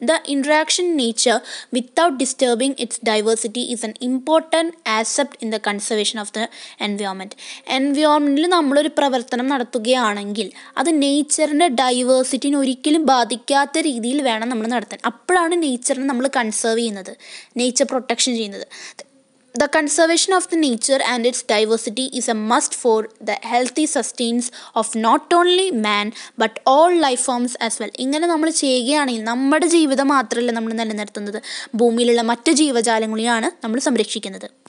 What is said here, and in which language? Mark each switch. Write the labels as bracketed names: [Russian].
[English] The interaction nature without disturbing its diversity is an important aspect in the conservation of the environment. [Malayalam] എൻവയോൺമെൻറ്റിൽ നമ്മളൊരു പ്രവർത്തനം നടത്തുകയാണെങ്കിൽ അത് നേച്ചറിൻ്റെ ഡൈവേഴ്സിറ്റിനെ ഒരിക്കലും ബാധിക്കാത്ത രീതിയിൽ വേണം നമ്മൾ നടത്താൻ. അപ്പോഴാണ് നേച്ചറിനെ നമ്മൾ കൺസേർവ് ചെയ്യുന്നത്, നേച്ചർ പ്രൊട്ടക്ഷൻ ചെയ്യുന്നത്. [English] The conservation of the nature and its diversity is a must for the healthy sustenance of not only man but all life forms as well. [Malayalam] ഇങ്ങനെ നമ്മൾ ചെയ്യുകയാണെങ്കിൽ നമ്മുടെ ജീവിതം മാത്രമല്ല നമ്മൾ നിലനിർത്തുന്നത്, ഭൂമിയിലുള്ള മറ്റ് ജീവജാലങ്ങളെയാണ് നമ്മൾ സംരക്ഷിക്കുന്നത്.